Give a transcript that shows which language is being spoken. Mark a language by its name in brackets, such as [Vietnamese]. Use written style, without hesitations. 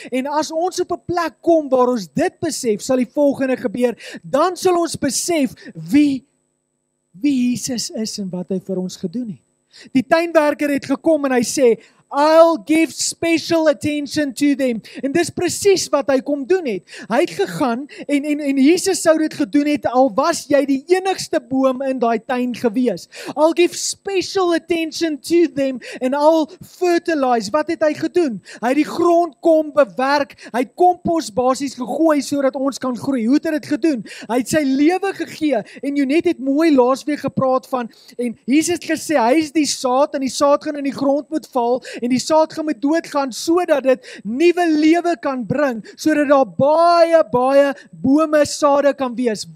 [Afrikaans] En as ons op 'n plek kom waar ons dit besef, sal die volgende gebeur, dan sal ons besef wie Jesus is en wat hy vir ons gedoen het. Die tuinwerker het gekom en hy sê, [English] I'll give special attention to them. [Afrikaans] En dis precies wat hy kom doen het. Hy het gegaan en Jesus sou dit gedoen het, al was jy die enigste boom in die tuin gewees. [English] I'll give special attention to them and I'll fertilize. [Afrikaans] Wat het hy gedoen? Hy het die grond kom bewerk, hy het kompos basies gegooi sodat ons kan groei. Hoe het hy dit gedoen? Hy het sy lewe gegee en Jonet het mooi laasweek gepraat van en Jesus het gesê, hy is die saad en die saad gaan in die grond moet val en die saad gaan met dood gaan, so dat dit nuwe lewe kan bring, so dat daar baie, baie bome sade kan wees.